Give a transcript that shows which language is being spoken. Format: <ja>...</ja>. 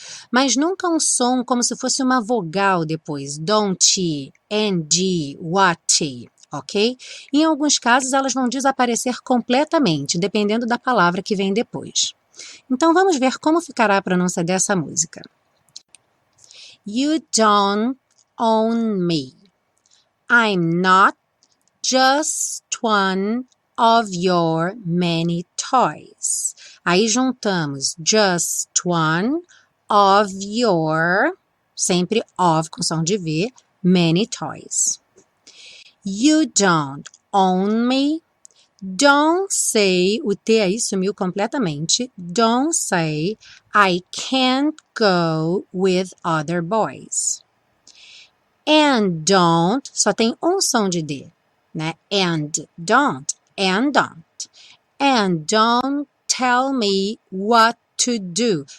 <pt>Mas nunca um som como se fosse uma vogal depois.</pt> <en>Don't. And. What? Ok?</en> <pt>Em alguns casos, elas vão desaparecer completamente, dependendo da palavra que vem depois. Então, vamos ver como ficará a pronúncia dessa música.</pt> <en>You don't own me. I'm not just one of your many toys.</en> <pt>Aí juntamos</pt> <en>just one of your,</en> <pt>sempre of com som de V,</pt> <en>many toys. You don't own me. Don't say,</en> <pt>o T aí sumiu completamente.</pt> <en>Don't say I can't go with other boys. And don't,</en> <pt>só tem um som de D.</pt> <en>Né? And don't, and don't. And don't tell me what to do.</en>